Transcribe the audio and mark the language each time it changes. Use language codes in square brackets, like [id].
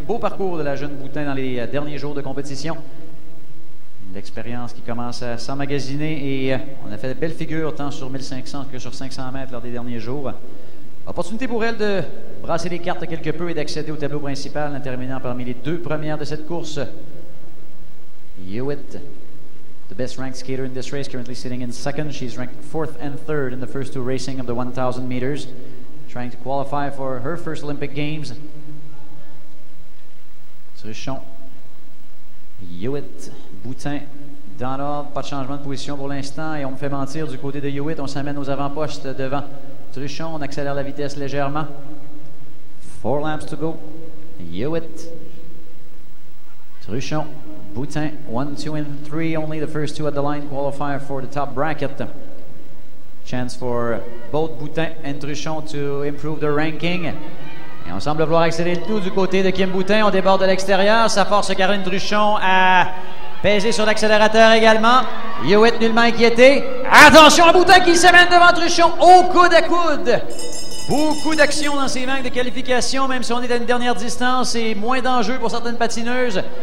[fr] Beau parcours de la jeune Boutin dans les derniers jours de compétition. L'expérience qui commence à s'emmagasiner et on a fait de belles figures tant sur 1500 que sur 500 mètres lors des derniers jours. Opportunité pour elle de brasser les cartes quelque peu et d'accéder au tableau principal en terminant parmi les deux premières de cette course. [en] Hewitt, the best ranked skater in this race, currently sitting in second. She's ranked fourth and third in the first two racing of the 1,000 meters, trying to qualify for her first Olympic Games. [fr] Truchon, Hewitt, Boutin, dans l'ordre, pas de changement de position pour l'instant et on me fait mentir du côté de Hewitt, on s'amène aux avant-postes devant. Truchon, on accélère la vitesse légèrement. [en] Four laps to go. [fr] Hewitt. Truchon. Boutin. [en] One, two, and three. Only the first two at the line qualifier for the top bracket. Chance for both Boutin and Truchon to improve the ranking. [fr] Et on semble vouloir accélérer le tout du côté de Kim Boutin. On déborde de l'extérieur. Ça force Caroline Truchon à peser sur l'accélérateur également. Hewitt nullement inquiété. Attention à Boutin qui s'amène devant Truchon au coude à coude. Beaucoup d'action dans ces vagues de qualification, même si on est à une dernière distance et moins d'enjeux pour certaines patineuses.